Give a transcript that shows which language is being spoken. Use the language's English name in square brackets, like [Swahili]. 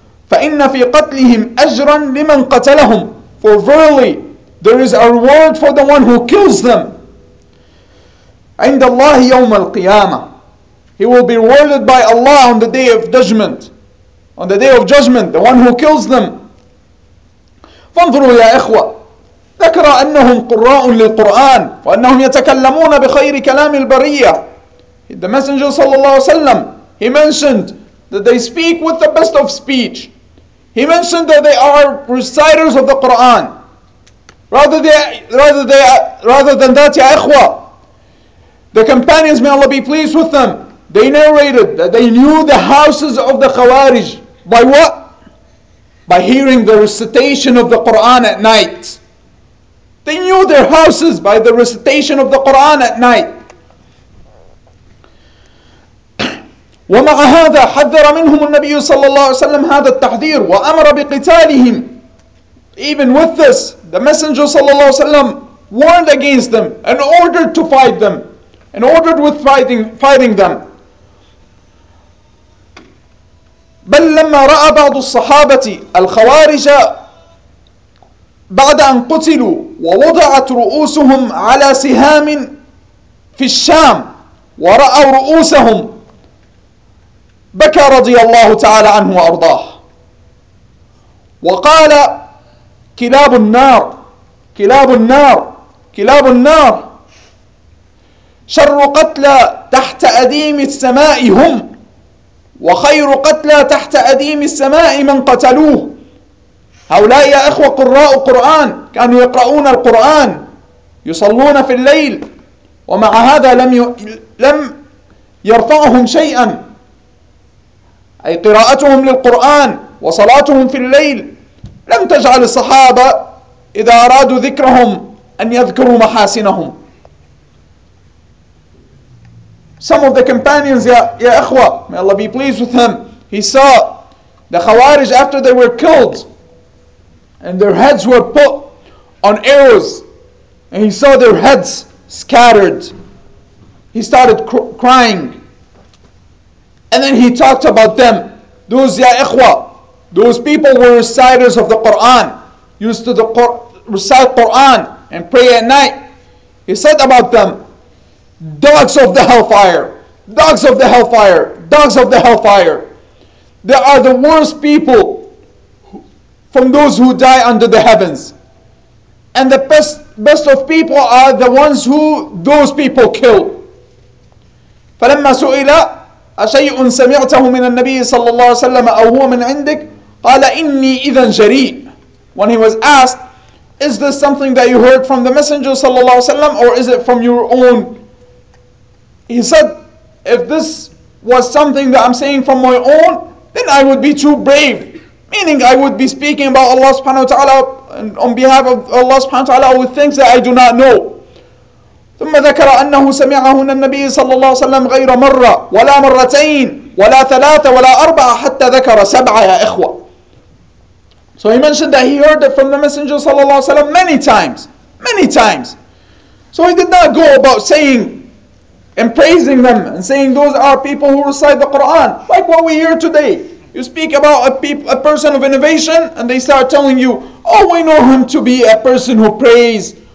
[Arabic] فَإِنَّ فِي قَتْلِهِمْ أَجْرًا لِمَنْ قَتَلَهُمْ, [English] for verily there is a reward for the one who kills them. [Arabic] عِنْدَ اللَّهِ يَوْمَ الْقِيَامَةِ, [English] he will be rewarded by Allah on the day of judgment, on the day of judgment, the one who kills them. [Arabic] فانظروا يا إخوة, ذكر أنهم قراء للقرآن وأنهم يتكلمون بخير كلام البرية. [English] The Messenger صلى الله عليه وسلم, he mentioned that they speak with the best of speech. He mentioned that they are reciters of the Quran. Rather than that, [Arabic] ya ikhwa, [English] the companions, may Allah be pleased with them, they narrated that they knew the houses of the Khawarij by what? By hearing the recitation of the Quran at night. They knew their houses by the recitation of the Quran at night. [Arabic] ومع هذا حذر منهم النبي صلى الله عليه وسلم هذا التحذير وأمر بقتالهم. [English] Even with this, the Messenger صلى الله عليه وسلم warned against them and ordered to fight them, and ordered with fighting them. [Arabic] بل لما رأى بعض الصحابة الخوارج بعد أن قتلوا ووضعت رؤوسهم على سهام في الشام ورأوا رؤوسهم بكى رضي الله تعالى عنه وأرضاه وقال كلاب النار, كلاب النار, كلاب النار, شر قتلى تحت أديم السماء هم وخير قتلى تحت أديم السماء من قتلوه. هؤلاء يا إخوة قراء القرآن, كانوا يقرؤون القرآن, يصلون في الليل, ومع هذا لم يرفعهم شيئا, أي قراءتهم للقرآن وصلاتهم في الليل لم تجعل الصحابة إذا أرادوا ذكرهم أن يذكروا محاسنهم. [English] Some of the companions, [Arabic] يا إخوة, [English] may Allah be pleased with them, he saw the Khawarij after they were killed and their heads were put on arrows, and he saw their heads scattered, he started crying. And then he talked about them. Those, [Arabic] ya ikhwa, [English] those people were reciters of the Quran, used to recite Quran and pray at night. He said about them, dogs of the hellfire, dogs of the hellfire, dogs of the hellfire. They are the worst people from those who die under the heavens. And the best of people are the ones who those people kill. [Arabic] فلما سئل أشيء سمعته من النبي صلى الله عليه وسلم أو هو من عندك؟ قَالَ إِنِّي إِذًا جَرِيءٌ. [English] When he was asked, is this something that you heard from the Messenger sallallahu alaihi wasallam, or is it from your own? He said, if this was something that I'm saying from my own, then I would be too brave. Meaning I would be speaking about Allah subhanahu wa ta'ala and on behalf of Allah subhanahu wa ta'ala with things that I do not know. [Arabic] ثم ذكر أنه سمعه النبي صلى الله عليه وسلم غير مرة ولا مرتين ولا ثلاثة ولا أربعة حتى ذكر سبعة يا إخوة. [English] So he mentioned that he heard it from the Messenger صلى الله عليه وسلم many times. So he did not go about saying and praising them and saying those are people who recite the Quran, like what we hear today. You speak about a person of innovation and they start telling you, oh, we know him to be a person who prays.